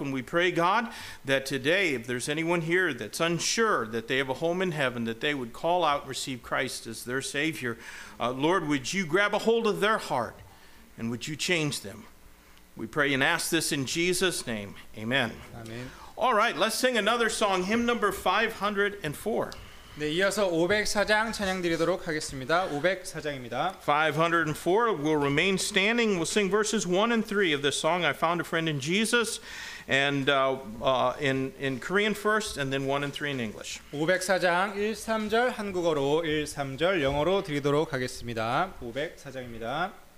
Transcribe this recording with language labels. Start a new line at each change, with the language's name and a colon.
English: And we pray, God, that today, if there's anyone here that's unsure that they have a home in heaven, that they would call out and receive Christ as their Savior. Lord, would you grab a hold of their heart and would you change them? We pray and ask this in Jesus' name. Amen. Amen. All right, let's sing another song, hymn number 504.
Korean: 네, 이어서 504장 찬양드리도록 하겠습니다. 504장입니다.
English: 504, we'll remain standing. We'll sing verses 1 and 3 of this song, I Found a Friend in Jesus, and in Korean first, and then 1 and 3 in English.
Korean: 504장 1, 3절 한국어로, 1, 3절 영어로 드리도록 하겠습니다. 504장입니다.